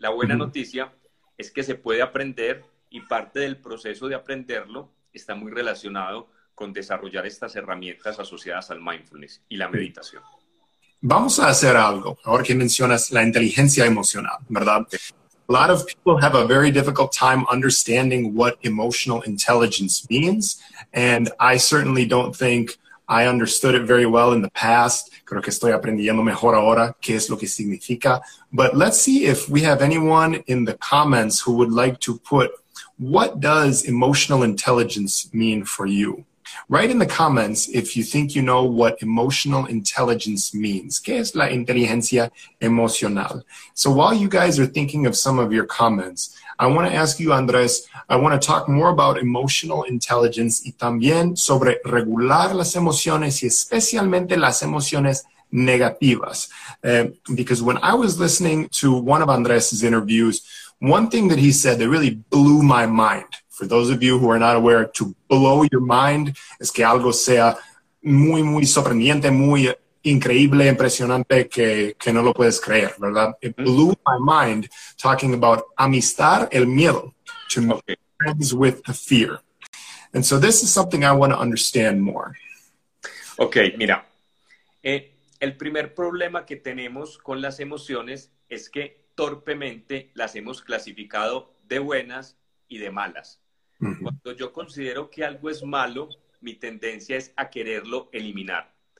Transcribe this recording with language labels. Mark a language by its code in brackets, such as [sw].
[es] La buena noticia es que se puede aprender y parte del proceso de aprenderlo está muy relacionado con desarrollar estas herramientas asociadas al mindfulness y la meditación. Vamos a hacer algo, ahora que mencionas la inteligencia emocional, ¿verdad? [en] A lot of people have a very difficult time understanding what emotional intelligence means, and I certainly don't think I understood it very well in the past. [es] Creo que estoy aprendiendo mejor ahora qué es lo que significa. [en] But let's see if we have anyone in the comments who would like to put, what does emotional intelligence mean for you? Write in the comments if you think you know what emotional intelligence means. [es] ¿Qué es la inteligencia emocional? [en] So while you guys are thinking of some of your comments, I want to ask you, Andres, I want to talk more about emotional intelligence [es] y también sobre regular las emociones y especialmente las emociones negativas. [en] Because when I was listening to one of Andres's interviews, one thing that he said that really blew my mind. For those of you who are not aware, to blow your mind [es] es que algo sea muy, muy sorprendente, muy increíble, impresionante, que no lo puedes creer, ¿verdad? [en] It blew my mind talking about [es] amistar el miedo, [en] to make friends with the fear. And so this is something I want to understand more. [es] Okay, mira, El primer problema que tenemos con las emociones es que torpemente las hemos clasificado de buenas y de malas. Cuando yo considero que algo es malo, mi tendencia es a quererlo eliminar.